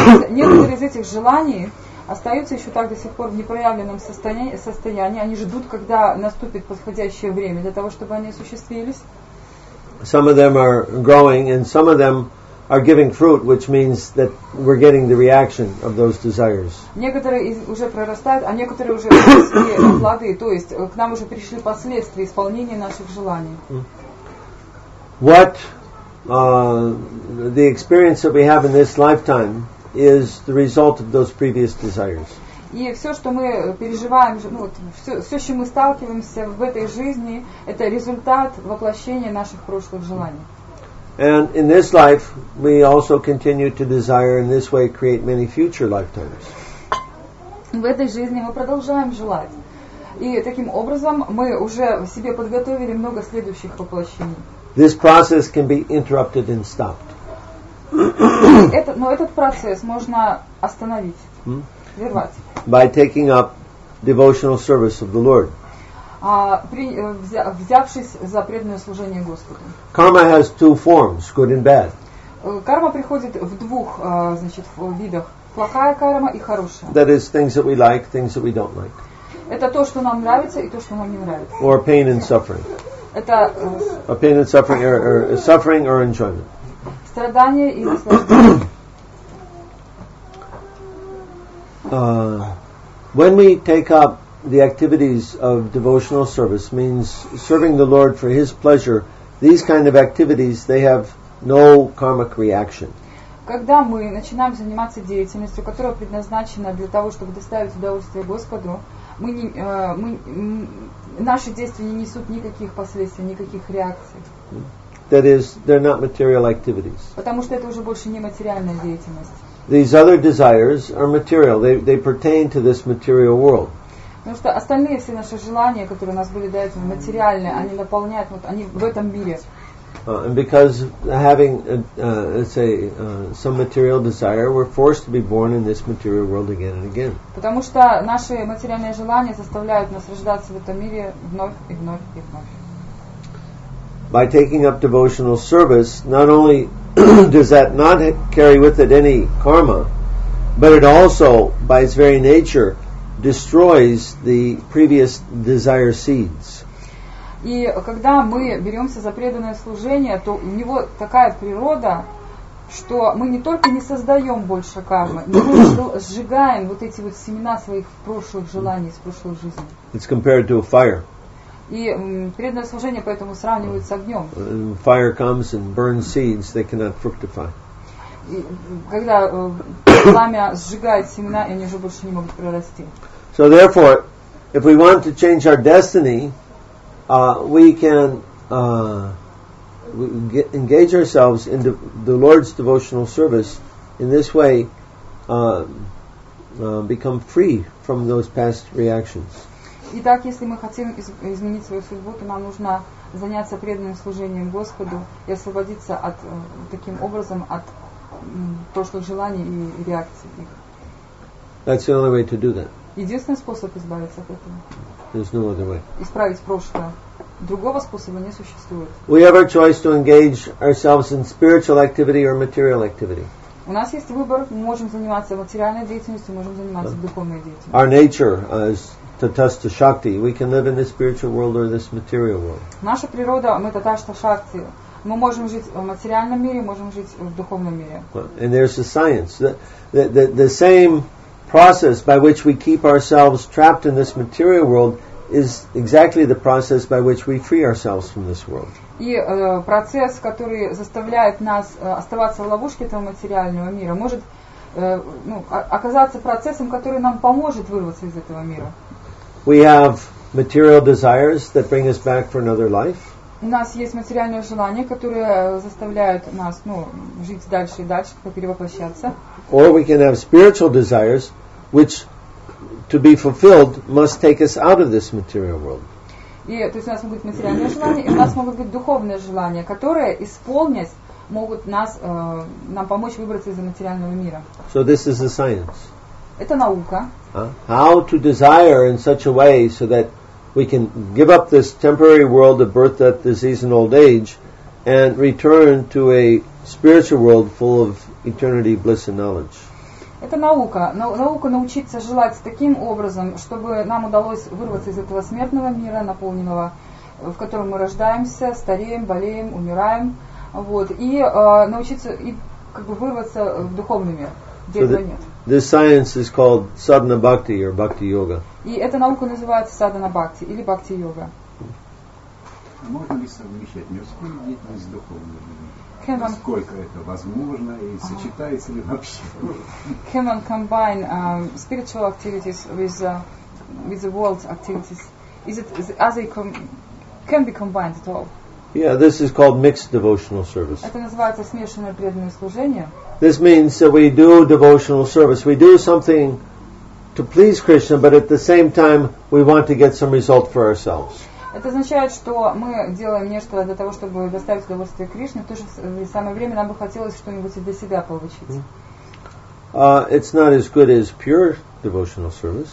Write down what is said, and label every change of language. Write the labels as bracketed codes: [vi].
[ru] Некоторые из этих желаний остаются еще так до сих пор в непроявленном состоянии. Они ждут, когда наступит подходящее время для того, чтобы они осуществились. [en] Some of them are growing, and some of them are giving fruit, which means that we're getting the reaction of those desires. [ru] Некоторые уже прорастают, а некоторые уже плоды, то есть к нам уже пришли последствия исполнения наших желаний. [en] What the experience that we have in this lifetime is the result of those previous desires. [ru] И все, что мы переживаем, ну вот все, с чем мы сталкиваемся в этой жизни, это результат воплощения наших прошлых желаний. [en] And in this life, we also continue to desire, in this way, create many future lifetimes. [ru] В этой жизни мы продолжаем желать, и таким образом мы уже в себе подготовили много следующих воплощений. [en] This process can be interrupted and stopped. [ru] Но этот процесс можно остановить, прервать. [en] By taking up devotional service of the Lord. [ru] Взявшись за преданное служение Господу. [en] Karma has two forms, good and bad. [ru] Карма приходит в двух, значит, в видах. Плохая карма и хорошая. [en] That is things that we like, things that we don't like. [ru] Это то, что нам нравится, и то, что нам не нравится. [en] Or pain and suffering. [ru] Это [en] pain and suffering, or suffering or enjoyment. [ru] Страдание и наслаждение. [en] When we take up the activities of devotional service, means serving the Lord for His pleasure, these kind of activities, they have no karmic reaction. [ru] Когда мы начинаем заниматься деятельностью, которая предназначена для того, чтобы доставить удовольствие Господу, мы не, наши действия не несут никаких последствий, никаких реакций. [en] That is, they're not material activities. [ru] Потому что это уже больше не материальная деятельность. [en] These other desires are material. They pertain to this material world. [ru] Потому что остальные все наши желания, которые у нас были до этого, материальные, они наполняют, вот они в этом мире. [en] And because having, let's say, some material desire, we're forced to be born in this material world again and again. [ru] Потому что наши материальные желания заставляют нас рождаться в этом мире вновь и вновь и вновь. [en] By taking up devotional service, not only does that not carry with it any karma, but it also, by its very nature, destroys the previous desire seeds. [ru] И когда мы беремся за преданное служение, то у него такая природа, что мы не только не создаем больше кармы, но мы сжигаем вот эти вот семена своих прошлых желаний, из прошлой жизни. [en] It's compared to a fire. [ru] И преданное служение поэтому сравнивается с огнем. [en] Fire comes and burns seeds, they cannot fructify. [ru] И когда пламя сжигает семена, они уже больше не могут прорасти. [en] So therefore, if we want to change our destiny, we can engage ourselves in the Lord's devotional service in this way, become free from those past reactions. [ru] Итак, если мы хотим изменить свою судьбу, то нам нужно заняться преданным служением Господу и освободиться от таким образом от прошлых желаний и реакций их. [en] That's the only way to do that. [ru] Единственный способ избавиться от этого. [en] There's no other way. [ru] Исправить прошлое. Другого способа не существует. [en] We have our choice to engage ourselves in spiritual activity or material activity. [ru] У нас есть выбор. Мы можем заниматься материальной деятельностью, можем заниматься духовной деятельностью. [en] Our nature is Tatastha Shakti. We can live in this spiritual world or this material world. [ru] Наша природа, мы Tatastha Shakti. Мы можем жить в материальном мире, можем жить в духовном мире. [en] And there's the science. The same process by which we keep ourselves trapped in this material world is exactly the process by which we free ourselves from this world. [ru] И процесс, который заставляет нас оставаться в ловушке этого материального мира, может оказаться процессом, который нам поможет вырваться из этого мира. [en] We have material desires that bring us back for another life. [ru] У нас есть материальные желания, которые заставляют нас, жить дальше и дальше, как перевоплощаться. [en] Or we can have spiritual desires, which, to be fulfilled, must take us out of this material world. [ru] И то есть у нас могут быть материальные желания, и у нас могут быть духовные желания, которые исполнять могут нас, нам помочь выбраться из материального мира. [en] So this is the science. [ru] Это наука. [en] How to desire in such a way so that we can give up this temporary world of birth, death, disease, and old age and return to a spiritual world full of eternity, bliss, and knowledge. [ru] Это наука. Наука научиться желать таким образом, чтобы нам удалось вырваться из этого смертного мира, наполненного, в котором мы рождаемся, стареем, болеем, умираем. Вот. И научиться и вырваться в духовный мир. [en] This science is called sadhana bhakti or bhakti yoga. [ru] И эта наука называется sadhana bhakti или bhakti yoga. Можно ли совмещать мирскую деятельность с духовной? Насколько это возможно и сочетается ли вообще? [en] Can one combine spiritual activities with the world activities? Can be combined at all? Yeah, this is called mixed devotional service. [ru] Это называется смешанное преданное служение. [en] This means that we do devotional service. We do something to please Krishna, but at the same time we want to get some result for ourselves. [ru] Это означает, что мы делаем нечто для того, чтобы доставить удовольствие Кришне, в то же самое время нам бы хотелось что-нибудь и для себя получить. [en] It's not as good as pure devotional service.